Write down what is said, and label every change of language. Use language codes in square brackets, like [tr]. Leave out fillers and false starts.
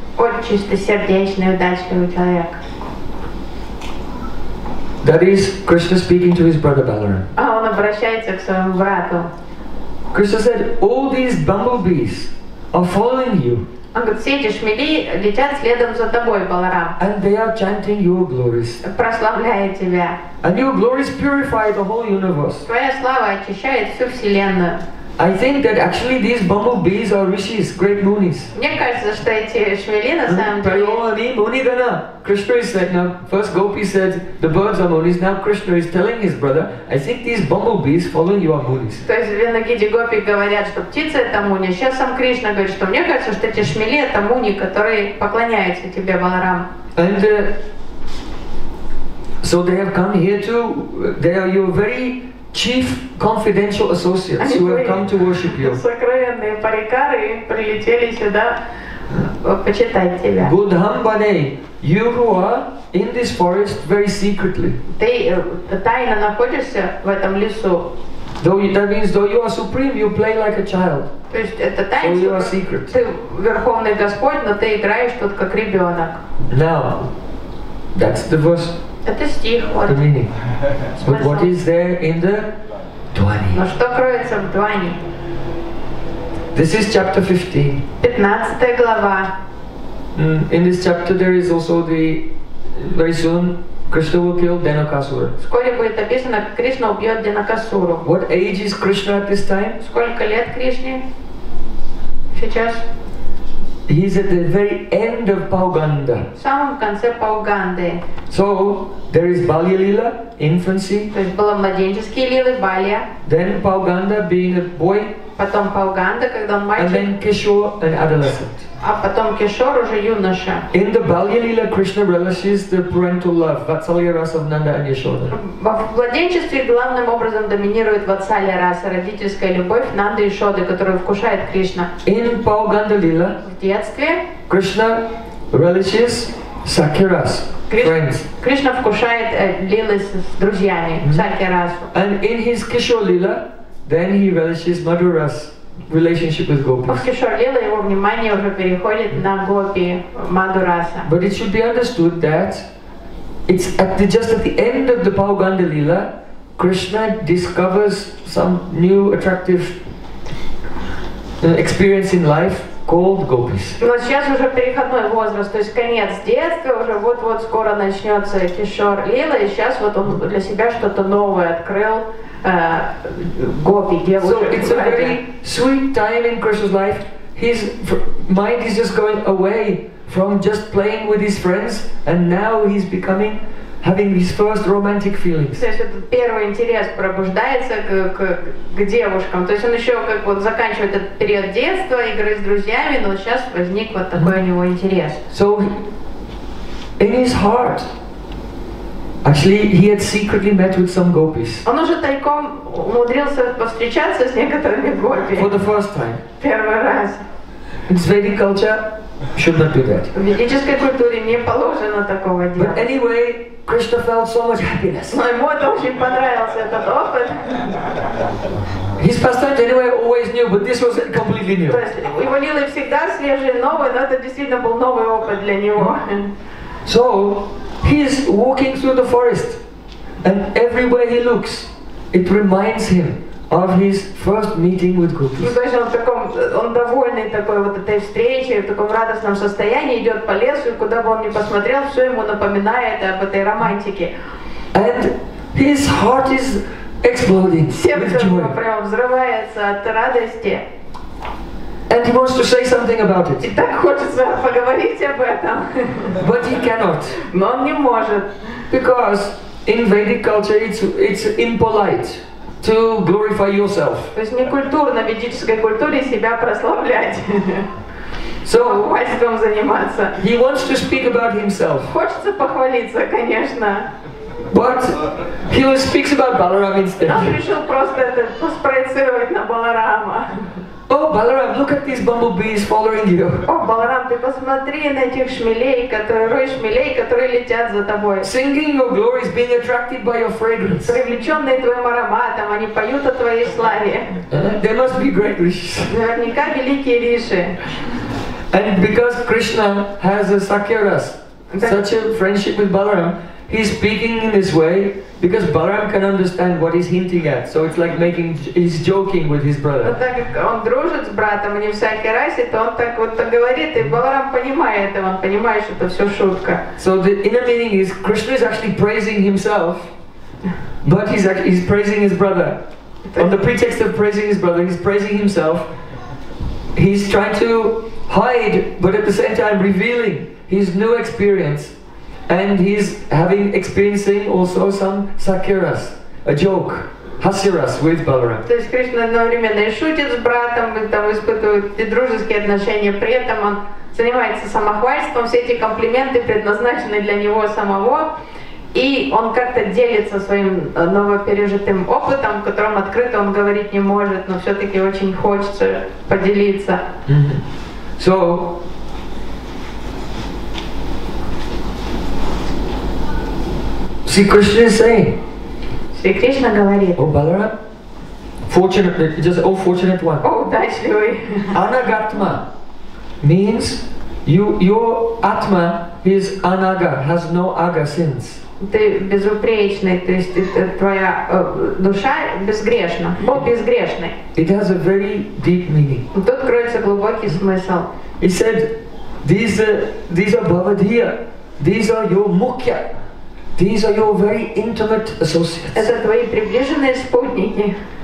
[ru] Очень чистосердечный, удачливый человек. [en] That is Krishna speaking to his brother Balaram. [ru] А он обращается к своему брату. [en] Krishna said, all these bumblebees are following you. [ru] Он говорит, все эти шмели летят следом за тобой, Баларам. [en] And they are chanting your glories. [ru] Прославляя тебя. [en] And your glories purify the whole universe. [ru] Твоя слава очищает всю вселенную. [en] I think that actually these bumblebees are rishis, great munis. [ru] Мне кажется, что эти шмели на самом деле. [en] Muni gana. Krishna is saying, now, first Gopi said the birds are munis. Now Krishna is telling his brother, I think these bumblebees following you are munis. [ru] То есть в Венагиде Гопи говорят, что птицы это муни. Сейчас сам Кришна говорит, что мне кажется, что эти шмели это муни, которые поклоняются тебе, Баларам. [en] And so they have come here to, they are your very chief confidential associates who have come to worship you. [ru] Сокровенные парикары прилетели сюда почитать тебя. [en] Будхам бане, you who are in this forest very secretly. [ru] Ты тайно находишься в этом лесу. [en] Though that means though you are supreme, you play like a child. [ru] То есть это тайна. [en] So you are secret. [ru] Ты верховный господь, но ты играешь тут как ребенок. [en] Now, that's the verse. [ru] Это стих, вот. [en] The meaning. But what is there in the dvani? [ru] Но что кроется в двани? [en] This is chapter 15. [ru] 15 глава. [en] In this chapter there is also the very soon Krishna will kill Dhenakasura. [ru] Вскоре будет описано, как Кришна убьет Дхенакасуру. [en] What age is Krishna at this time? [ru] Сколько лет Кришне сейчас? [en] He is at the very end of Pauganda. [ru] Самом конце Пауганды. [en] So there is Balya Lila, infancy. [ru] То есть было младенческие лилы, Балья. [en] Then Pauganda, being a boy, [ru] потом Пауганда, когда он мальчик. [en] And then Kishore, an adolescent. [ru] А потом Кишор уже юноша. [en] In the Balyalila, Krishna relishes the parental love, Vatsalya Rasa of Nanda and Yashoda. [ru] В младенчестве главным образом доминирует Vatsalya Rasa, родительская любовь Нанды и Яшоды, которую вкушает Кришна. [en] In Пауганда Лила, [ru] в детстве, [en] Krishna relishes Sakiras. [ru] Кришна вкушает лилы с друзьями, Sakya Rasa. [en] And in his Kishore Lila, then he relishes Madhura Rasa. Relationship with gopis. [ru] После Шарлила его внимание уже переходит на гопи Мадураса. [en] But it should be understood that it's at the, just at the end of the Пауганда Лила, Krishna discovers some new attractive experience in life called gopis. [ru] Но сейчас уже переходной возраст, то есть конец детства уже вот-вот скоро начнется Кишор Лила, и сейчас вот он для себя что-то новое открыл. [en] Gopi, so it's a very sweet time in Krishna's life. His mind is just going away from just playing with his friends, and now he's becoming having his first romantic feelings. [ru] То есть этот первый интерес пробуждается к девушкам. То есть он еще как вот заканчивает этот период детства, игры с друзьями, но сейчас возник вот такой у него интерес. [en] So in his heart. Actually, he had secretly met with some gopis. [ru] Он уже тайком умудрился повстречаться с некоторыми гопи. [en] For the first time. [ru] Первый раз. [en] It's Vedic culture. Should not do that. [ru] В ведической культуре не положено такого делать. [en] But anyway, Krishna felt so much happiness. [ru] Но ему это очень понравился этот опыт. [en] His pastimes anyway always new, but this was completely new. [ru] То есть его лилы всегда свежие, новые, но это действительно был новый опыт для него. [en] So. He is walking through the forest, and everywhere he looks, it reminds him of his first meeting with gopis. [ru] То есть он в таком, он довольный такой вот этой встречей, в таком радостном состоянии идет по лесу, и куда бы он ни посмотрел, все ему напоминает об этой романтике. [en] And his heart is exploding. [ru] Сердце его прямо взрывается от радости. [en] And he wants to say something about it. [ru] И так хочется поговорить об этом. [en] But he cannot. [ru] Но он не может. [en] Because in Vedic culture it's impolite to glorify yourself. [ru] То есть не культурно в ведической культуре себя прославлять. [en] So [ru] похвальством заниматься. [en] He wants to speak about himself. [ru] Хочется похвалиться, конечно. [en] But he speaks about Balaram instead. [ru] Он решил просто это спроецировать на Баларама. [en] Oh, Balaram, look at these bumblebees following you. Oh, Balaram, [ru] ты посмотри на этих шмелей, которые летят за тобой. [en] Singing your glories, being attracted by your fragrance. [ru] Привлеченные твоим ароматом, они поют о твоей славе. [en] They must be great rishis. [ru] Наверняка великие риши. [en] And because Krishna has a Sakya Rasa, such a friendship with Balaram, he's speaking in this way. Because Balaram can understand what he's hinting at, so it's like making, he's joking with his brother. [ru] Так как он дружит с братом, не всякий раз, и то он так вот то говорит, и Баларам понимает это, он понимает, что это все шутка. [en] So the inner meaning is Krishna is actually praising himself, but he's praising his brother. On the pretext of praising his brother, he's praising himself. He's trying to hide, but at the same time revealing his new experience. And he's having experiencing also some sakiras, a joke, hasiras with Balaram. [ru] То есть Кришна одновременно и шутит с братом, и там испытывает и дружеские отношения, при этом он занимается самохвальством, все эти комплименты предназначены для него самого, и он как-то делится своим новопережитым опытом, которым открыто он говорить не может, но все-таки очень хочется поделиться. [en] So. See, Krishna is saying. [ru] Sri Krishna говорит. [en] Oh, Balaram, fortunate, just oh, fortunate one. [ru] Oh, удачливый. [en] Anagatma means your atma is anaga, has no aga sins. [ru] Ты безупречный, то есть твоя душа безгрешна. Бог безгрешный. [en] It has a very deep meaning. [ru] Тут кроется глубокий смысл. [en] He said, these are bhavadhiya, these are your mukhya. These are your very intimate associates. [ru] Это твои приближенные спутники.